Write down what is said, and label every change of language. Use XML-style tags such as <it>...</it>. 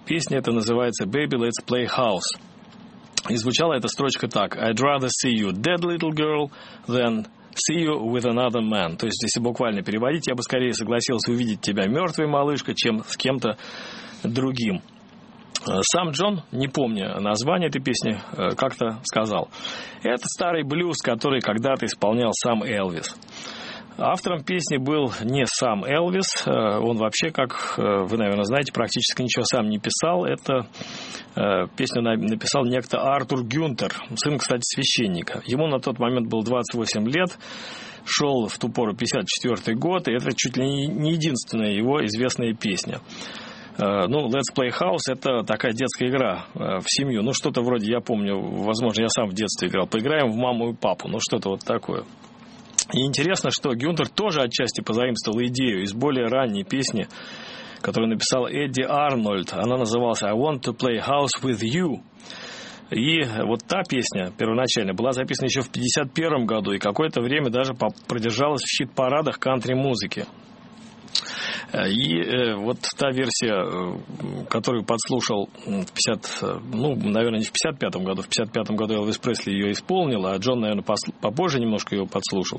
<ru>Песня эта называется «Baby, let's play house». И звучала эта строчка так:</ru> <en>«I'd rather see you dead, little girl, than see you with another man».</en> <ru>То есть, если буквально переводить, я бы скорее согласился увидеть тебя мертвой, малышка, чем с кем-то другим. Сам Джон, не помня название этой песни, как-то сказал: «Это старый блюз, который когда-то исполнял сам Элвис». Автором песни был не сам Элвис. Он вообще, как вы, наверное, знаете, практически ничего сам не писал. Эту песню написал некто Артур Гюнтер, сын, кстати, священника. Ему на тот момент было 28 лет. Шел в ту пору 54-й год. И это чуть ли не единственная его известная песня. Ну, «Let's Play House» – это такая детская игра в семью. Ну, что-то вроде, я помню, возможно, я сам в детстве играл. «Поиграем в маму и папу». Ну, что-то вот такое. И интересно, что Гюнтер тоже отчасти позаимствовал идею из более ранней песни, которую написал Эдди Арнольд. Она называлась «I want to play house with you». И вот та песня первоначально была записана еще в 1951 году и какое-то время даже продержалась в хит-парадах кантри-музыки. И вот та версия, которую подслушал в 55-м году Элвис Пресли ее исполнил, а Джон, наверное, попозже немножко ее подслушал.</ru>